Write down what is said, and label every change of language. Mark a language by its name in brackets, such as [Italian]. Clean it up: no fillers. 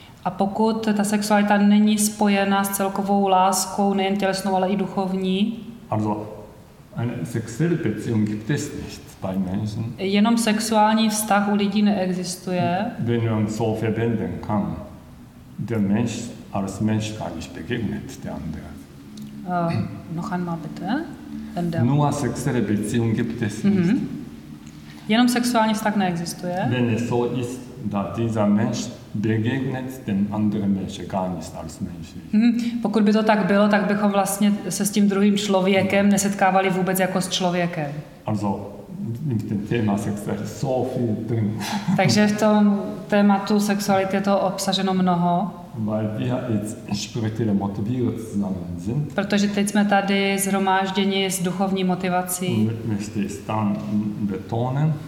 [Czech] A pokud ta sexualita není spojena s celkovou láskou, nejen tělesnou, ale i duchovní. [German] Also, eine sexuelle Beziehung gibt es nicht bei Menschen. [Czech] Jenom sexuální vztah u lidí neexistuje. [German] Wenn man so verbinden kann, der Mensch als Mensch gar nicht begegnet, der andere. Noch einmal bitte. Nur sexuelle Beziehung gibt es [Czech] Jenom sexuální vztah neexistuje. [German] Wenn es so ist, dass dieser Mensch begegnet den anderen Menschen gar nicht als Mensch. [Czech] Pokud by to tak bylo, tak bychom vlastně se s tím druhým člověkem nesetkávali vůbec jako s člověkem. [German] Also, in dem Thema Sexualität ist so viel drin. [Czech] Takže v tom tématu sexuality je toho obsaženo mnoho. [German] Weil wir jetzt spirituell motiviert zusammen sind. [Czech] Protože teď jsme tady zhromážděni s duchovní motivací. [German] Möchte ich dann betonen.